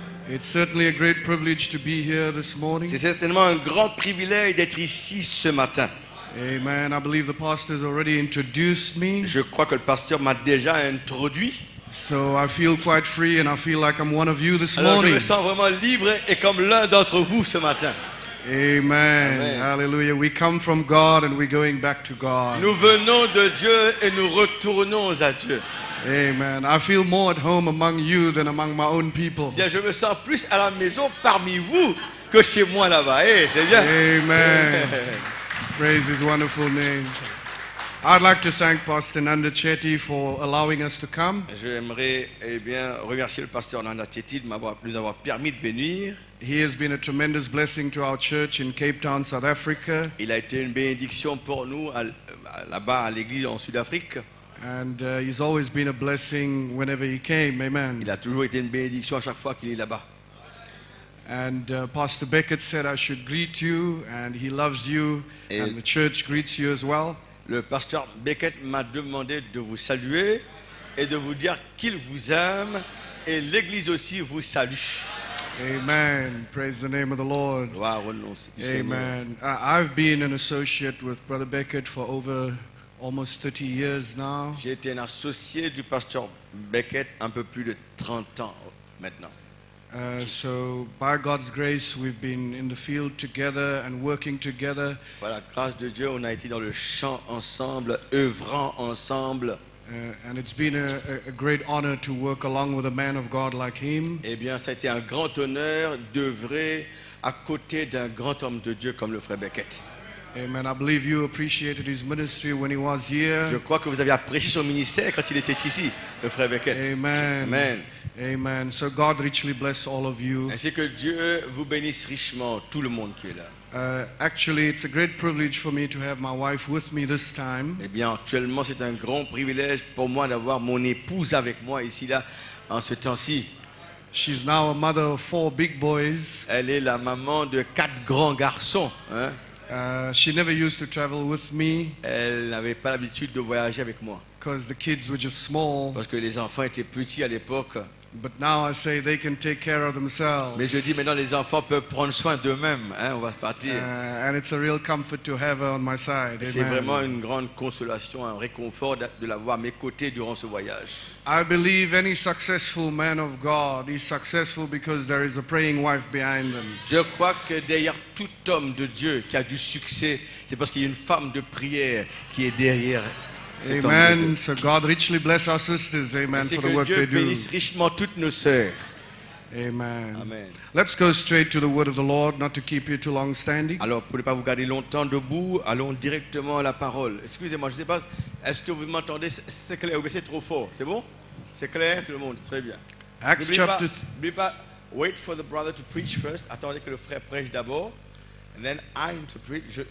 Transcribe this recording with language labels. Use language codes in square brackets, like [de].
[en] It's certainly a great privilege to be here this morning. [fr] C'est certainement un grand privilège d'être ici ce matin. [en] Amen. I believe the pastor has already introduced me. [fr] Je crois que le pasteur m'a déjà introduit. [en] So I feel quite free and I feel like I'm one of you this [fr] Alors, [en] morning. [fr] Je me sens vraiment libre et comme l'un d'entre vous ce matin. [en] Amen. Hallelujah. We come from God and we're going back to God. [fr] Nous venons de Dieu et nous retournons à Dieu. [en] Amen. I feel more at home among you than among my own people. [fr] Bien, je me sens plus à la maison parmi vous que chez moi là-bas. Hey, c'est bien. [en] Amen. Praise His wonderful name. I'd like to thank Pastor Nanda Chetty for allowing us to come. [fr] J'aimerais bien remercier le pasteur Nanda Chetty de nous avoir permis de venir. [en] He has been a tremendous blessing to our church in Cape Town, South Africa. [fr] Il a été une bénédiction pour nous là-bas à l'église en Sud-Afrique. [en] And he's always been a blessing whenever he came. Amen. [fr] Il a toujours été une bénédiction à chaque fois qu'il est là-bas. [en] And Pastor Beckett said I should greet you, and he loves you, et and the church greets you as well. [fr] Le pasteur Beckett m'a demandé de vous saluer et de vous dire qu'il vous aime et l'église aussi vous salue. [en] Amen. Praise the name of the Lord. [fr] Gloire au nom du Seigneur. Amen. [en] I've been an associate with Brother Beckett for over almost 30 years now. [fr] J'ai été un associé du pasteur Beckett un peu plus de 30 ans maintenant. [en] So by God's grace we've been in the field together and working together. [fr] Par la grâce de Dieu, on a été dans le champ ensemble, œuvrant ensemble. [en] And it's been a great honor to work along with a man of God like him. [fr] Eh bien, ça a été un grand honneur d'œuvrer à côté d'un grand homme de Dieu comme le frère Beckett. [en] Amen. I believe you appreciated his ministry when he was here. [fr] Je crois que vous avez apprécié son ministère quand il était ici, le frère Beckett. [en] Amen. Amen. Amen. So God richly bless all of you. [fr] Ainsi que Dieu vous bénisse richement tout le monde qui est là. [en] Actually, it's a great privilege for me to have my wife with me this time. [fr] Eh bien, actuellement, c'est un grand privilège pour moi d'avoir mon épouse avec moi ici là en ce temps-ci. [en] She's now a mother of four big boys. [fr] Elle est la maman de quatre grands garçons, hein. [en] She never used to travel with me. [fr] Elle n'avait pas l'habitude de voyager avec moi. [en] Because the kids were just small. [fr] Parce que les enfants étaient petits à l'époque. [en] But now I say they can take care of themselves. [fr] Mais je dis maintenant les enfants peuvent prendre soin d'eux-mêmes, hein, on va partir. [en] And it's a real comfort to have her on my side. [fr] Et c'est vraiment une grande consolation, un réconfort de l'avoir à mes côtés durant ce voyage. [en] I believe any successful man of God is successful because there is a praying wife behind them. [fr] Je crois que derrière tout homme de Dieu qui a du succès, c'est parce qu'il y a une femme de prière qui est derrière. [en] Amen. So God richly bless our sisters. Amen. [fr] Ainsi [en] for the work [fr] Dieu [en] they do. [fr] Bénisse richement toutes nos sœurs. [en] Amen. Amen. Let's go straight to the word of the Lord, not to keep you too long standing. [fr] Alors, pour ne pas vous garder longtemps debout, allons directement à la parole. Excusez-moi, je ne sais pas, est-ce que vous m'entendez? C'est clair, c'est trop fort. C'est bon? C'est clair, tout le monde? Très bien. [en] Acts [fr] n'oubliez [en] chapter. [fr] Pas, n'oubliez pas, [en] wait for the brother to preach first. [fr] Attendez que le frère prêche d'abord. [en] And then I interpret.